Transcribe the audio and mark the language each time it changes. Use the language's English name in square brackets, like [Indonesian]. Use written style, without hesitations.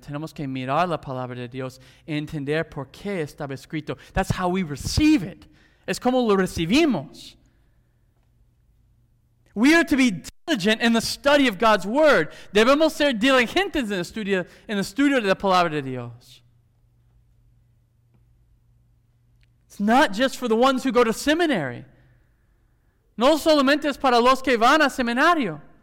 [Spanish] Tenemos que mirar la palabra de Dios y entender por qué estaba escrito. [English] That's how we receive it. [Spanish] Es como lo recibimos. [English] We are to be diligent in the study of God's Word. [Spanish] Debemos ser diligentes en el estudio de la Palabra de Dios. [English] It's not just for the ones who go to seminary. [Spanish] No solamente es para los que van a seminario.